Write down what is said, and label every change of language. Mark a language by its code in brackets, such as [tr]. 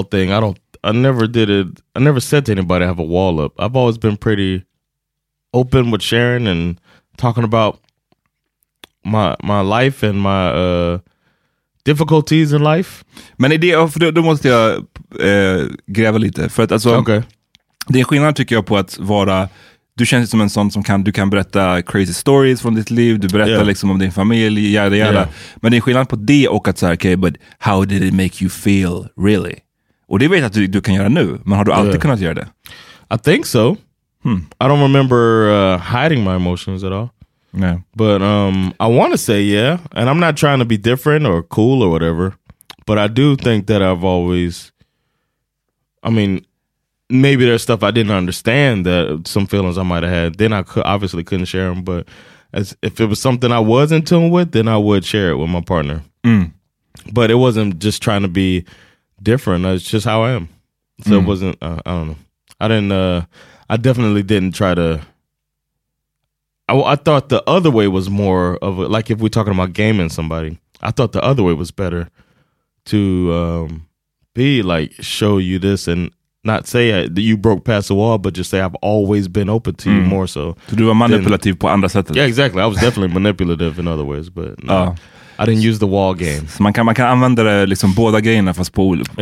[en] I never said to anybody I have a wall up. I've always been pretty open with sharing and talking about my life and my difficulties in life. [sv] Men idé, då måste jag gräva lite. För att, alltså, [en] okay. [sv] Det är skillnad tycker jag på att vara, du känns som en sån som kan, du kan berätta [en] crazy stories [sv] från ditt liv, du berättar liksom om din familj, jada, jada. [en] Yeah. [sv] Men det är skillnad på det och att säga, [en] okay, but how did it make you feel, really? [sv] Och det vet jag att du kan göra nu, men har du alltid kunnat göra det? [en] I think so. Hmm. I don't remember hiding my emotions at all. No. But I want to say yeah, and I'm not trying to be different or cool or whatever, but I do think that I've always, I mean, maybe there's stuff I didn't understand, that some feelings I might have had, then I obviously couldn't share them, but if it was something I was in tune with, then I would share it with my partner. Mm. But it wasn't just trying to be different, it's just how I am. So it wasn't, I don't know, I definitely didn't try to, I thought the other way was more of a, like if we're talking about gaming somebody, I thought the other way was better, to be like, show you this and not say that you broke past the wall, but just say I've always been open to you more so. To do a manipulative [sv] på andra sättet. [en] Yeah, exactly. I was definitely manipulative in other ways, but no. I didn't use the wall game. [sv] So man kan använda det liksom båda grejerna fast på olika.